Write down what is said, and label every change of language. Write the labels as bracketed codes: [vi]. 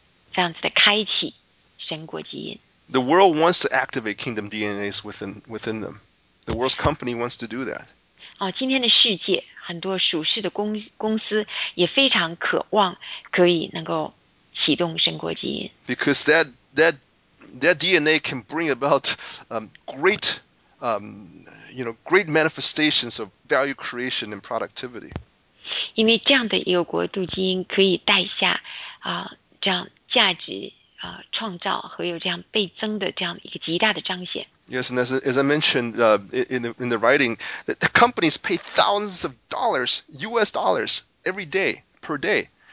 [zh] 因为就是这样的一些钥匙可以真正的这样子的开启神国基因。 [en] The world wants to activate kingdom DNAs within them. The world's company wants to do that. [zh] 今天的世界很多属世的公司也非常渴望可以能够启动神国基因。 [en] Because that DNA can bring about great manifestations of value creation and productivity. [zh] 因为这样的一个国度基因可以带下这样价值创造和有这样倍增的这样一个极大的彰显。 [en] Yes, and as I mentioned in the writing, that the companies pay thousands of dollars, US dollars, every day, per day.